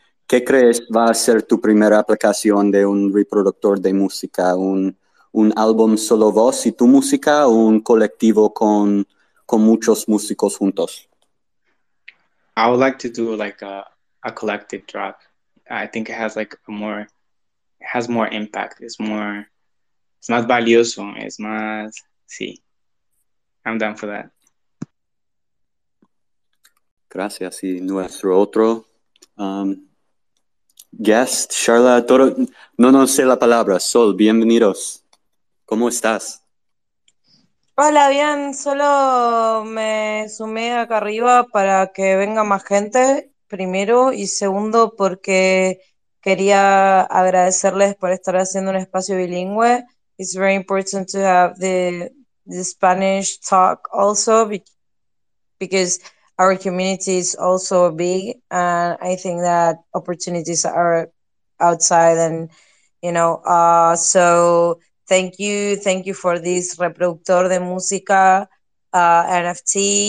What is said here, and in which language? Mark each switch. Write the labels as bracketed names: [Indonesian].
[Spanish] ¿Qué crees va a ser tu primera aplicación de un reproductor de música? ¿Un álbum solo voz y tu música, o un colectivo con muchos músicos juntos? [English] I would like to do like a collective drop. I think it has like more impact. It's [Spanish] más valioso, es más, sí. [English] I'm down for that. [Spanish] Gracias. Y nuestro otro guest, Sharla Toro, no sé la palabra, Sol, bienvenidos. ¿Cómo estás? Hola, bien, solo me sumé acá arriba para que venga más gente, primero, y segundo, porque quería agradecerles por estar haciendo un espacio bilingüe. [English] It's very important to have the Spanish talk also, because our community is also big, and I think that opportunities are outside, and you know, so thank you for this [Spanish] reproductor de música [English] NFT.